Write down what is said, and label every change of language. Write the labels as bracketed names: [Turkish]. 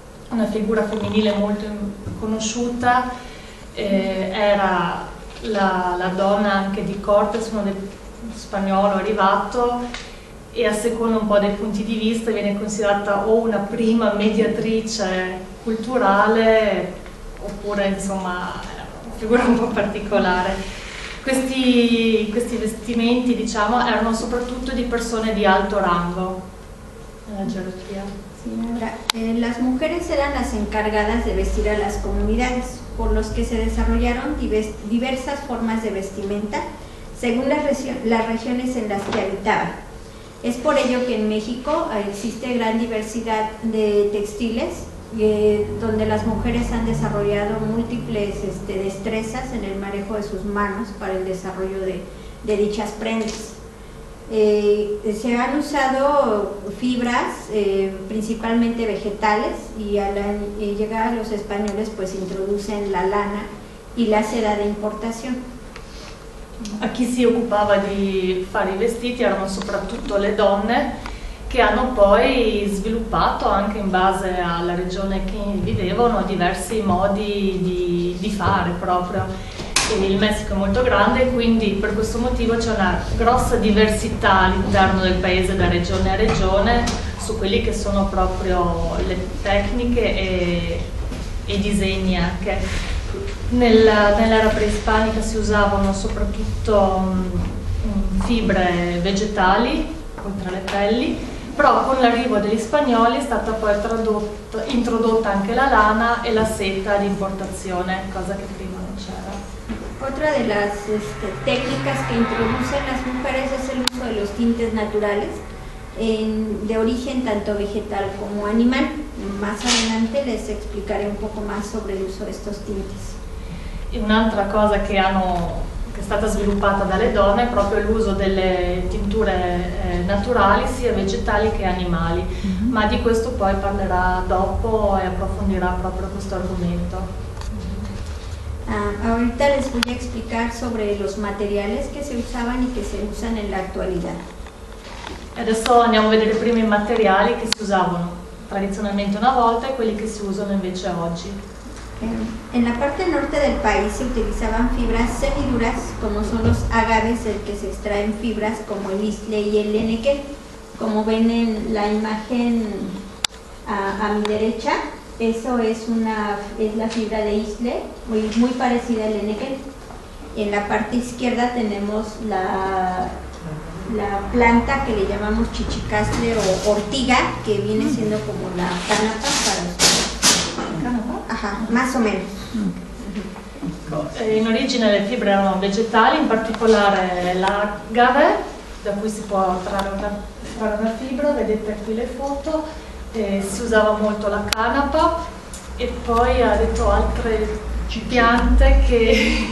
[Italian] una figura femminile molto conosciuta, era la donna anche di Cortes, uno spagnolo arrivato, e a seconda un po' dei punti di vista viene considerata o una prima mediatrice culturale, oppure insomma una figura un po' particolare. Questi vestimenti, diciamo, erano soprattutto di persone di alto rango nella gerarchia. [Spanish] Sì, las mujeres eran las encargadas de vestir a las comunidades, por los que se desarrollaron diversas formas de vestimenta según las regiones en las que habitaba. Es por ello que en México existe gran diversidad de textiles, donde las mujeres han desarrollado múltiples destrezas en el manejo de sus manos para el desarrollo de dichas prendas. Se han usado fibras principalmente vegetales, y al llegar a los españoles pues introducen la lana y la seda de importación. [Italian] A chi si occupava di fare i vestiti erano soprattutto le donne, che hanno poi sviluppato, anche in base alla regione che vivevano, diversi modi di fare proprio. E il Messico è molto grande, quindi per questo motivo c'è una grossa diversità all'interno del paese, da regione a regione, su quelli che sono proprio le tecniche e i disegni anche. Nell'era preispanica si usavano soprattutto fibre vegetali, oltre alle pelli, però con l'arrivo degli spagnoli è stata poi introdotta anche la lana e la seta di importazione, cosa che prima non c'era. [Spanish] Otra de las técnicas que introducen las mujeres es el uso de los tintes naturales, de origen tanto vegetal como animal. Más adelante les explicaré un poco más sobre el uso de estos tintes. [Italian] E un'altra cosa che è stata sviluppata dalle donne è proprio l'uso delle tinture naturali, sia vegetali che animali, mm-hmm. Ma di questo poi parlerà dopo e approfondirà proprio questo argomento. Mm-hmm. [Spanish] Ahorita les voy a explicar sobre los materiales que se usaban y que se usan en la actualidad. [Italian] Adesso andiamo a vedere prima i materiali che si usavano tradizionalmente una volta e quelli che si usano invece oggi. [Spanish] En la parte norte del país se utilizaban fibras semiduras, como son los agaves, del que se extraen fibras como el istle y el eneque. Como ven en la imagen a mi derecha, eso es la fibra de istle, muy parecida al eneque. En la parte izquierda tenemos la planta que le llamamos chichicastre o ortiga, que viene siendo como la canapa para ustedes. Más o meno. [Italian] In origine le fibre erano vegetali, in particolare l'agave, da cui si può trarre una fibra, vedete qui le foto, si usava molto la canapa e poi ha detto altre piante che